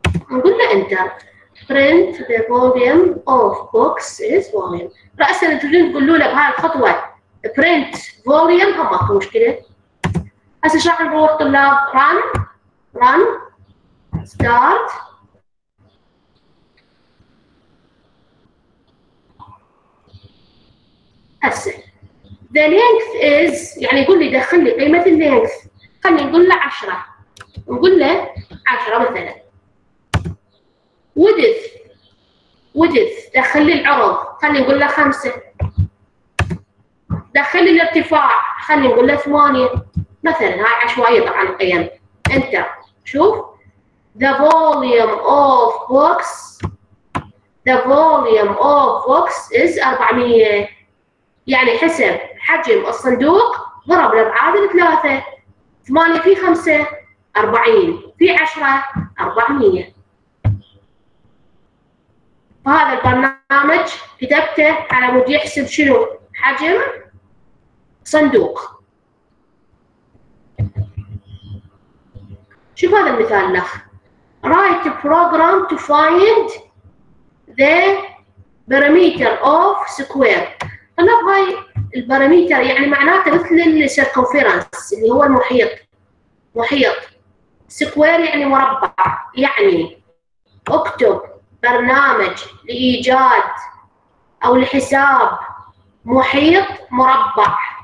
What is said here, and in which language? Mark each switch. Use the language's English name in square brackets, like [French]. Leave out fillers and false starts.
[Arabic] نقول له [English] enter print the volume of box is volume. [Arabic] رأسا تريدون تقولوا له بهاي الخطوة print volume هم اخر مشكلة. هسه ايش راح نروح طلاب run start هسه the length is يعني يقول لي دخل لي قيمة ال length خلينا نقول له 10 نقول له 10 مثلا. Width دخل لي العرض خلينا نقول له 5 دخل لي الارتفاع خلينا نقول له 8 مثلا. هاي عشوائية طبعا القيم. انت شوف [English] The volume of books, the volume of books is 400. [Arabic] يعني حسب حجم الصندوق ضرب الأبعاد الثلاثة. 8 في 5 40 في 10 400. فهذا البرنامج كتبته على مود يحسب شنو حجم صندوق. شوف هذا المثال الأخ. [English] Write a program to find the perimeter of square. [Arabic] طلب هاي البراميتر يعني معناته مثل السيركمفيرنس اللي هو المحيط. محيط. سكوير يعني مربع. يعني اكتب برنامج لإيجاد أو لحساب محيط مربع.